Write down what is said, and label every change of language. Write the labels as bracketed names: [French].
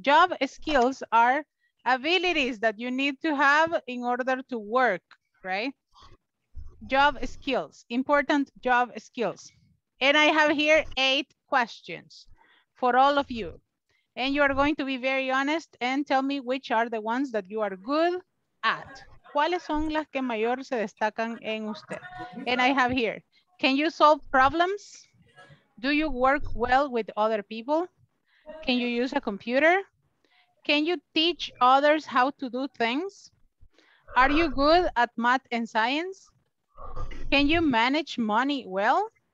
[English] Job skills are abilities that you need to have in order to work, right? Job skills, important job skills. And I have here 8 questions for all of you. And you are going to be very honest and tell me which are the ones that you are good at. [Spanish] ¿Cuáles son las que mayor se destacan en usted? [English] And I have here, can you solve problems? Do you work well with other people? Can you use a computer? Can you teach others how to do things? Are you good at math and science? Can you manage money well?